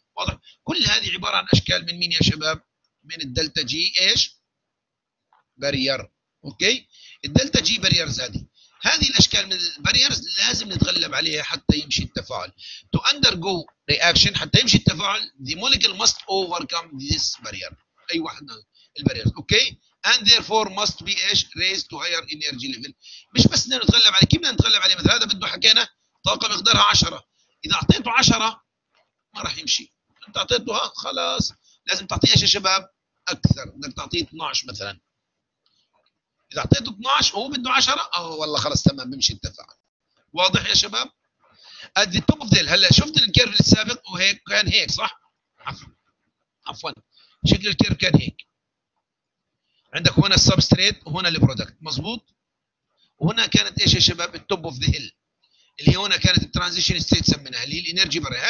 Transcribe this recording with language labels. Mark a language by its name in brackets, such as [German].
[Arabic] واضح؟ كل هذه عباره عن اشكال من مين يا شباب؟ من الدلتا جي ايش؟ بارير. اوكي، الدلتا جي باريرز، هذه الاشكال من الباريرز لازم نتغلب عليها حتى يمشي التفاعل. [English] to undergo reaction, [Arabic] حتى يمشي التفاعل [English] the molecule must overcome this barrier, [Arabic] اي واحد من الباريرز. [English] okay, and therefore must be [Arabic] ايش؟ [English] raised to higher energy level. [Arabic] مش بس بدنا نتغلب عليه، كيف بدنا نتغلب عليه؟ مثلا هذا بده حكينا طاقه مقدارها 10، اذا اعطيته 10 ما راح يمشي، انت اعطيته خلاص لازم تعطيه ايش يا شباب؟ اكثر، بدك تعطيه 12 مثلا. اذا اعطيته 12 وهو بده 10 اه والله خلاص تمام بمشي التفاعل. واضح يا شباب؟ [English] at the top of the hill. [Arabic] هلا شفت الكيرف السابق وهيك كان هيك صح؟ عفوا شكل الكيرف كان هيك، عندك هنا السبستريت وهنا البرودكت مزبوط، وهنا كانت ايش يا شباب؟ [English] التوب of the hill [Arabic] اللي هي هنا كانت الترانزيشن ستيت سميناها، اللي هي الانرجي بارير.